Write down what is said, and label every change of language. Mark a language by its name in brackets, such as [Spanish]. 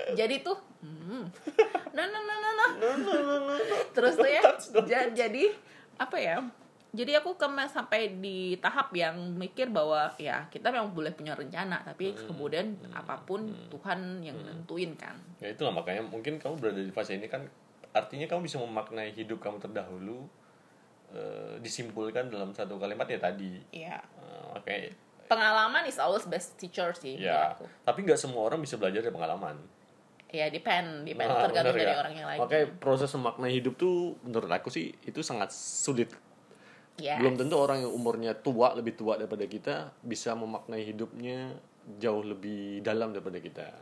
[Indonesian] Jadi tuh terus tuh ya jadi apa ya, jadi aku kemarin sampai di tahap yang mikir bahwa ya kita memang boleh punya rencana, tapi kemudian apapun Tuhan yang nentuin kan. Ya itulah, makanya mungkin kamu berada di fase ini kan artinya kamu bisa memaknai hidup kamu terdahulu, disimpulkan dalam satu kalimat ya tadi. [English] Okay. [Indonesian] Pengalaman [English] is always best teacher sih. [Indonesian] Tapi gak semua orang bisa belajar dari pengalaman. Depend tergantung dari orang yang lain. Makanya proses memaknai hidup tuh menurut aku sih itu sangat sulit. Belum tentu orang yang umurnya tua, lebih tua daripada kita, bisa memaknai hidupnya jauh lebih dalam daripada kita.